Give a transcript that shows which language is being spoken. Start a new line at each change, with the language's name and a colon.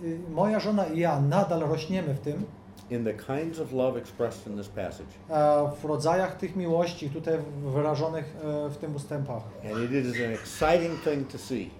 Polish: Moja żona i ja nadal rośniemy w tym.
English: In the kinds of love expressed in this passage.
Polish: W rodzajach tych miłości tutaj wyrażonych w tym ustępach.
English: And it is an exciting thing to see.